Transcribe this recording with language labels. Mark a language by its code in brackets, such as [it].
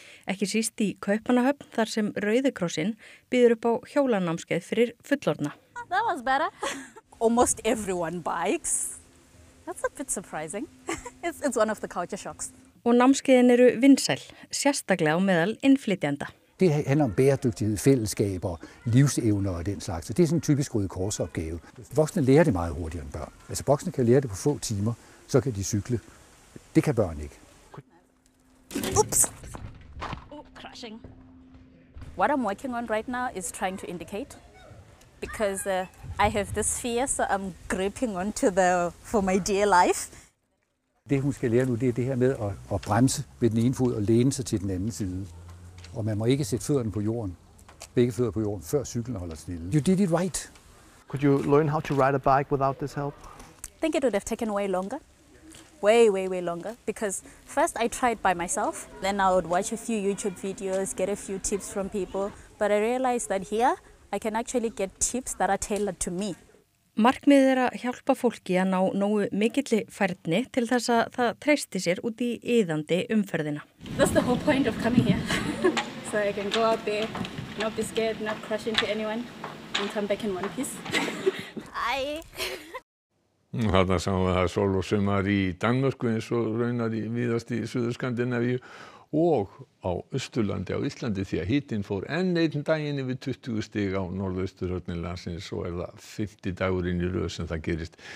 [is] Ekki síst í Kaupmannahöfn þar sem Rauðikrossinn býður upp á hjólanámskeið fyrir fullorðna. [en] That was better. Almost everyone bikes. That's a bit surprising. It's one of the culture shocks. [is] Og námskeiðin eru vinsæl, sérstaklega á meðal innflytjenda. [da] Det handler om bæredygtighed, fællesskab og livsevner og den slags. Så det er sådan en typisk Røde Kors opgave. Voksne lærer det meget hurtigere end børn. Altså voksne kan lære det på få timer, så kan de cykle. Det kan børn ikke. [en] Oops. Oh, crashing. What I'm working on right now is trying to indicate because I have this fear, so I'm gripping onto the for my dear life. [da] Det hun skal lære nu, det er det her med at bremse med den ene fod og læne sig til den anden side. Og man må ikke sætte fødderne på jorden. Begge fødder på jorden før cyklen holder stille. [en] You did it right. Could you learn how to ride a bike without this help? I think it would have taken way longer. Way, way, way longer because first I tried by myself, then I would watch a few YouTube videos, get a few tips from people, but I realized that here I can actually get tips that are tailored to me. [is] Markmiðið er að hjálpa fólki að ná nógu mikilli færni til þess að það treysti sér út í iðandi umferðina. [en] That's the whole point of coming here. So I can go out there, not be scared, not crash into anyone, and come back in one piece. Æ. [is] Þarna sáum við það sól og sumar í Danmörku eins og raunar í víðast í Suðurskandinavíu og á Austurlandi á Íslandi því að hitinn fór enn einn daginn yfir 20 stig á norðausturhorni landsins og er það 50 dagurinn í röð sem það gerist.